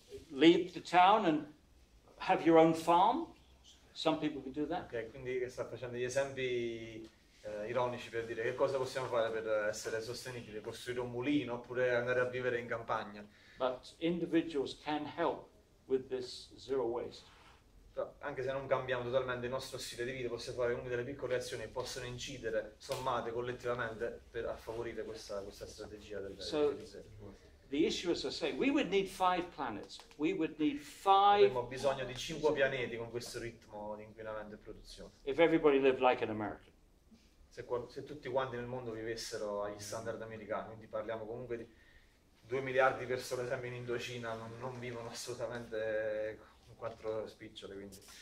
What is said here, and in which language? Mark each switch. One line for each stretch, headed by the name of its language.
English: Leave the town and have your own farm? Some people can do that.
Italian: Ok, quindi sta facendo gli esempi ironici per dire che cosa possiamo fare per essere sostenibili, costruire un mulino oppure andare a vivere in campagna.
English: But individuals can help with this zero waste.
Italian: Anche se non cambiamo totalmente il nostro stile di vita, possiamo fare comunque delle piccole azioni che possono incidere, sommate collettivamente, per a favorire questa strategia del
English: zero. So, the issue is to say, we would need five planets. We would need five.
Italian: Avremmo bisogno di cinque pianeti con questo ritmo di inquinamento e produzione.
English: If everybody lived like an American.
Italian: Se tutti quanti nel mondo vivessero agli standard americani, quindi parliamo comunque di 2 miliardi di persone sempre in Indocina non vivono assolutamente con quattro spiccioli, quindi.